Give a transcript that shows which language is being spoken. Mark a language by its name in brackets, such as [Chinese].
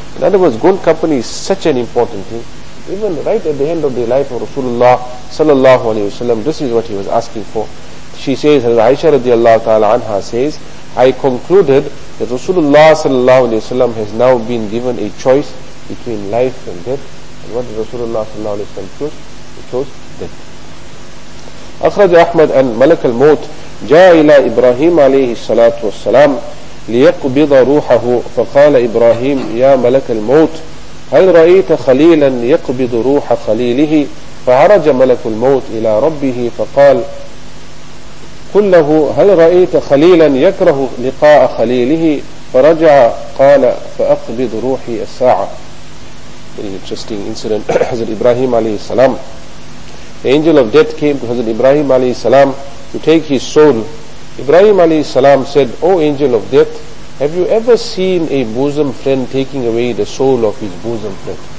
[English] In other words, good company is such an important thing. Even right at the end of the life of Rasulullah sallallahu alayhi wa sallam, this is what he was asking for. She says, Aisha radiallahu ta'ala anha says, I concluded that Rasulullah sallallahu alayhi wa sallam has now been given a choice between life and death. And what did Rasulullah sallallahu alayhi wa sallam choose? He chose death. [Arabic] أخرج أحمد أن ملك الموت جاء إلى إبراهيم عليه الصلاة والسلام ليقبض روحه فقال إبراهيم يا ملك الموت هل رأيت خليلا يقبض روح خليله فعرج ملك الموت إلى ربه فقال قل له هل رأيت خليلا يكره لقاء خليله فرجع قال فأقبض روحي الساعة. [English] Very interesting incident. Hazrat Ibrahim alayhi salam, the angel of death came to Hazrat Ibrahim alayhi salam to take his soul. Ibrahim alayhi salam said, O angel of death, have you ever seen a bosom friend taking away the soul of his bosom friend?